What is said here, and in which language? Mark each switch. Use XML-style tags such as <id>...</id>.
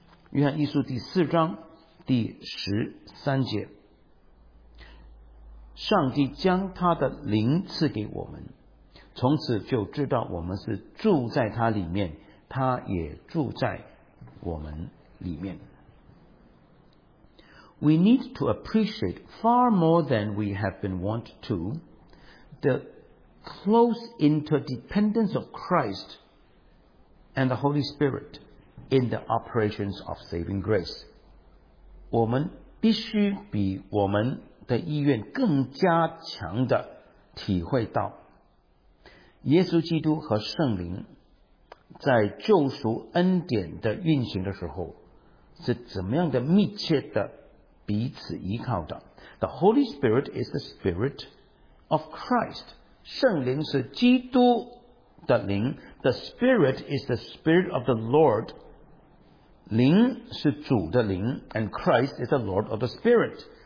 <zh>约翰一书第四章第十三节，上帝将他的灵赐给我们，从此就知道我们是住在他里面，他也住在我们里面。</zh> <en>We need to appreciate far more than we have been wont to the close interdependence of Christ and the Holy Spirit in the operations of saving grace.</en> <zh>我们必须比我们的意愿更加强的体会到耶稣基督和圣灵在救赎恩典的运行的时候是怎么样的密切的彼此依靠的。</zh> <en>The Holy Spirit is the Spirit of Christ.</en> <zh>圣灵是基督的灵。</zh> <en>The Spirit is the Spirit of the Lord.</en> <zh>灵是主的灵。</zh> <en>And Christ is the Lord of the Spirit.</en>